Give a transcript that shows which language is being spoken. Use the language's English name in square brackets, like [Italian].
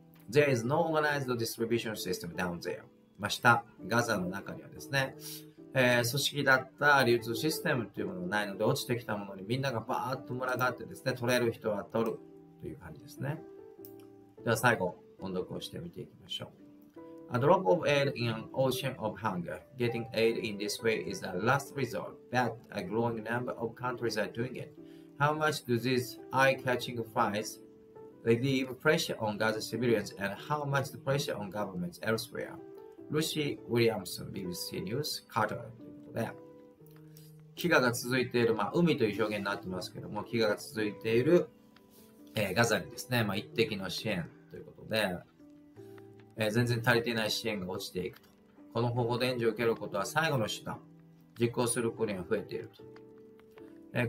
[English] There is no organized distribution system down there. [Japanese] まあ、下、ガザの中にはですね、組織だった流通システムというものがないので、落ちてきたものにみんながバーッと群がってですね、取れる人は取るという感じですね。では最後、音読をしてみていきましょう。 [English] A drop of aid in an ocean of hunger. Getting aid in this way is a last resort, but a growing number of countries are doing it. How much do these eye-catching fights? Relieve pressure on Gaza civilians and how much the pressure on governments elsewhere. Lucy Williamson, BBC News, Qatar. [Japanese] 飢餓が続いている、まあ、海という表現になってますけども、飢餓が続いている、ガザにですね、まあ、一滴の支援ということで、全然足りていない支援が落ちていくと。この方法で援助を受けることは最後の手段。実行する国が増えていると。